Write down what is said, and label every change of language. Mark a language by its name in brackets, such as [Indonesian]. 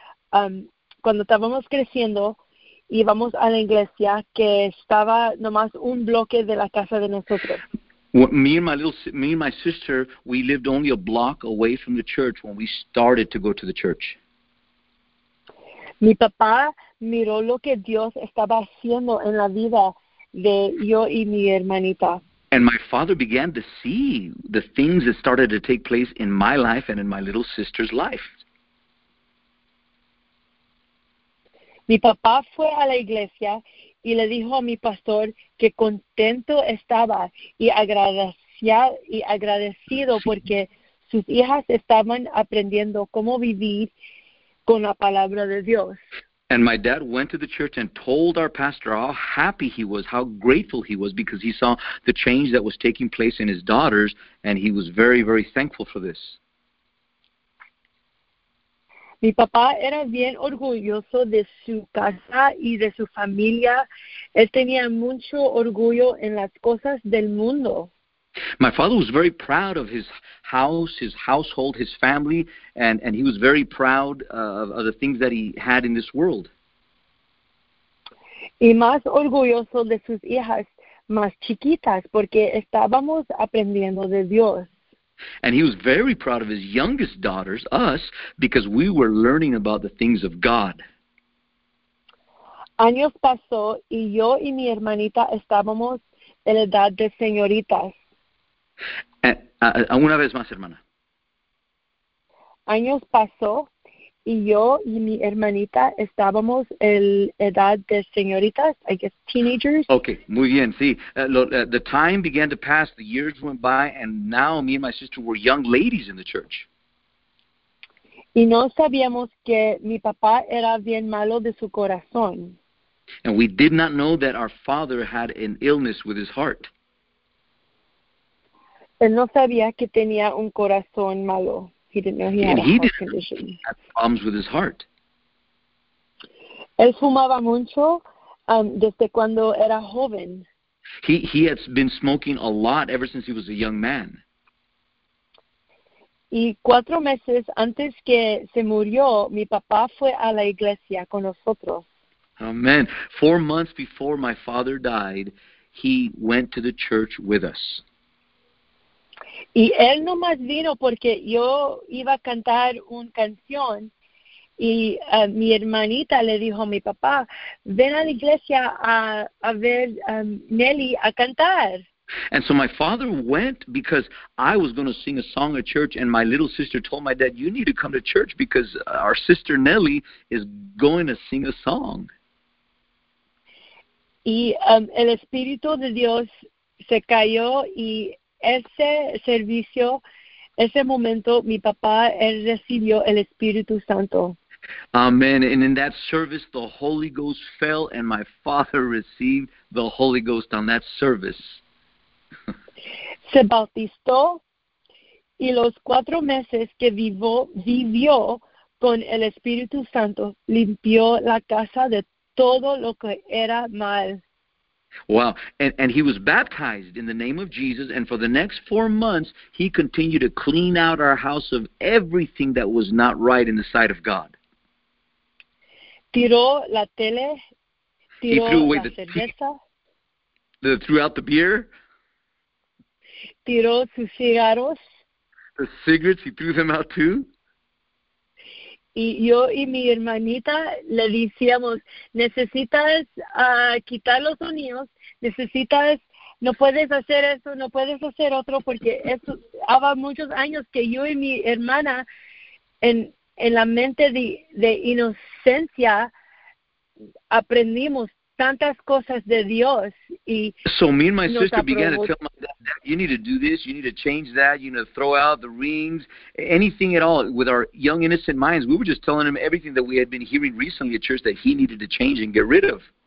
[Spanish] Cuando estábamos creciendo, íbamos a la iglesia que estaba nomás un bloque de la casa de nosotros. [English] Me and my sister, we lived only a block away from the church when we started to go to the church. [Spanish] Mi papá miró lo que Dios estaba haciendo en la vida de yo y mi hermanita. [English] And my father began to see the things that started to take place in my life and in my little sister's life. [Spanish] Mi papá fue a la iglesia y le dijo a mi pastor que contento estaba y agradecido sí. Porque sus hijas estaban aprendiendo cómo vivir con la palabra de Dios. [English] And my dad went to the church and told our pastor how happy he was, how grateful he was, because he saw the change that was taking place in his daughters, and he was very, very thankful for this. [Spanish] Mi papá era bien orgulloso de su casa y de su familia. Él tenía mucho orgullo en las cosas del mundo. [English] My father was very proud of his house, his household, his family, and he was very proud of the things that he had in this world. [Spanish] Y más orgulloso de sus hijas más chiquitas, porque estábamos aprendiendo de Dios. [English] And he was very proud of his youngest daughters, us, because we were learning about the things of God. [Spanish] Años pasó y yo y mi hermanita estábamos en la edad de señoritas. Una vez más, hermana. Años pasó y yo y mi hermanita estábamos en edad de señoritas, [English] I guess teenagers. [Spanish] Okay, muy bien, sí. [English] The time began to pass, the years went by, and now me and my sister were young ladies in the church. [Spanish] Y no sabíamos que mi papá era bien malo de su corazón. [English] And we did not know that our father had an illness with his heart. [Spanish] Él no sabía que tenía un corazón malo. [English] He didn't know he had a heart condition. Had problems with his heart. [Spanish] Él fumaba mucho desde cuando era joven. [English] He had been smoking a lot ever since he was a young man. [Spanish] Y cuatro meses antes que se murió, mi papá fue a la iglesia con nosotros. [English] Amen. 4 months before my father died, he went to the church with us. [Spanish] Y él no más vino porque yo iba a cantar una canción y mi hermanita le dijo a mi papá, ven a la iglesia a ver Nelly a cantar. [English] And so my father went because I was going to sing a song at church, and my little sister told my dad, you need to come to church because our sister Nelly is going to sing a song. [Spanish] Y el Espíritu de Dios se cayó y ese servicio, ese momento, mi papá, él recibió el Espíritu Santo. [English] Amen. And in that service, the Holy Ghost fell and my father received the Holy Ghost on that service. [Spanish] Se bautizó y los cuatro meses que vivió con el Espíritu Santo limpió la casa de todo lo que era mal. [English] Wow. And he was baptized in the name of Jesus, and for the next 4 months, he continued to clean out our house of everything that was not right in the sight of God. [Spanish] Tiró la tele, tiró [English] he threw away [Spanish] la [English] the [Spanish] cerveza, [English] threw out the beer, [Spanish] tiró sus cigarros, [English] the cigarettes, he threw them out too. [Spanish] Y yo y mi hermanita le decíamos, necesitas quitar los sonidos, necesitas, no puedes hacer eso, no puedes hacer otro, porque eso, había muchos años que yo y mi hermana, en la mente de inocencia, aprendimos tantas cosas de Dios. Y [English] so me and my sister began to tell my dad, you need to do this, you need to change that, you need to throw out the rings, anything at all. With our young, innocent minds, we were just telling him everything that we had been hearing recently at church that he needed to change and get rid of.